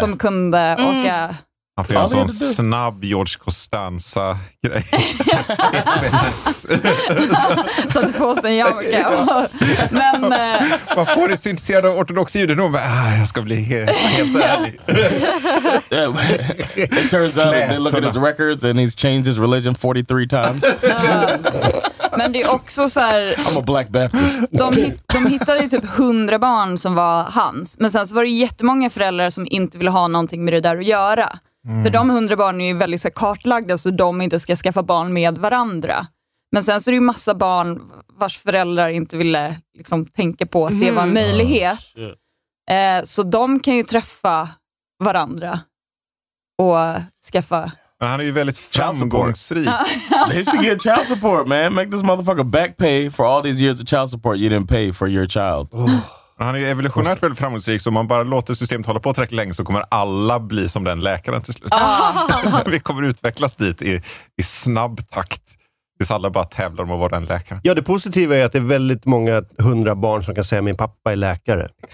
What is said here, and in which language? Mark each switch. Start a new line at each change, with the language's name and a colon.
Swedish: Som kunde åka. Han fick en sån snabb George Costanza-grej. Satt på sig en jacka. Men, man får det så intresserad av ortodox judar. Men jag ska bli helt ärlig.
English: It turns out they look at his records and he's changed his religion 43 times.
Swedish: Men det är också så här,
English: I'm a black baptist.
Swedish: De hittade ju typ 100 barn som var hans. Men sen så var det jättemånga föräldrar som inte ville ha någonting med det där att göra. Mm. För de 100 barnen är ju väldigt så kartlagda, så de inte ska skaffa barn med varandra. Men sen så är det ju massa barn vars föräldrar inte ville liksom tänka på att det var en möjlighet. Så de kan ju träffa varandra och skaffa. Men han är ju väldigt framgångsrik.
English: They should get child support, man. Make this motherfucker back pay for all these years of child support you didn't pay for your child.
Swedish: Han är ju evolutionärt väldigt framgångsrik, så om man bara låter systemet hålla på och träck länge så kommer alla bli som den läkaren till slut. Vi kommer utvecklas dit i snabb takt tills alla bara tävlar om att vara den läkaren. Ja, det positiva är att det är väldigt många 100 barn som kan säga min pappa är läkare.